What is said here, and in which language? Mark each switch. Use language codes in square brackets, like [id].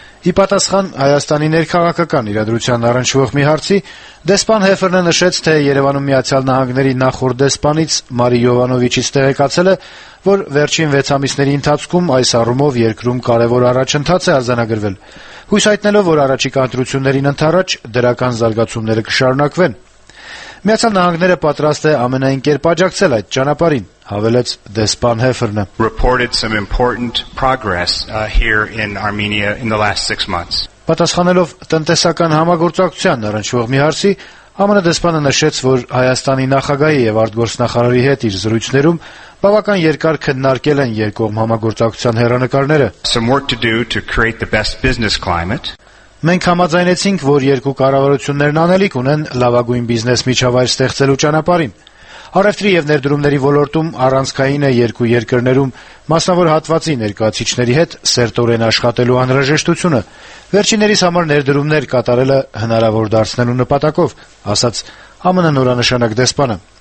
[hy] Ի պատասխան Հայաստանի ներքաղաքական իրադրության առնչվող մի հարցի, դեսպան Հեֆերնը նշեց, թե Երևանում Միացյալ Նահանգների նախորդ դեսպանից Մարի Յովանովիչից տեղեկացել է, որ վերջին 6 ամիսների ընթացքում այս առումով երկրում կարևոր առաջընթաց է արձանագրվել, հույս այտնելով, որ առաջիկա ընտրություններին ընդառաջ դրական զարգացումները կշարունակվեն։ Միացյալ Նահանգները պատրաստ է ամենայն կերպ աջակցել այդ ճանապարհին, հավելեց դեսպան Հեֆերնը։ [en] Reported some important progress here in Armenia in the last 6 months. [hy] Պատասխանելով տնտեսական համագործակցության առնչվող մի հարցի, ԱՄՆ դեսպանը նշեց, որ Հայաստանի նախագահի եւ արտգործնախարարի հետ իր զրույցներում բավական երկար քննարկել են երկողմ համագործակցության հեռանկարները։ [en] Some work to do to create the best business climate. [hy] Մենք համաձայնեցինք, որ երկու կառավարություններն անելիք ունեն լավագույն բիզնես միջավայր ստեղծելու ճանապարհին։ Առևտրի և ներդրումների ոլորտում առանցքային է երկու երկրներում մասնավոր հատվածի ներկայացիչների հետ սերտորեն աշխատելու անհրաժեշտությունը, վերջիններիս համար ներդրումներ կատարելը հնարավոր դարձնելու նպատակով, ասաց ԱՄՆ նորանշանակ դեսպանը։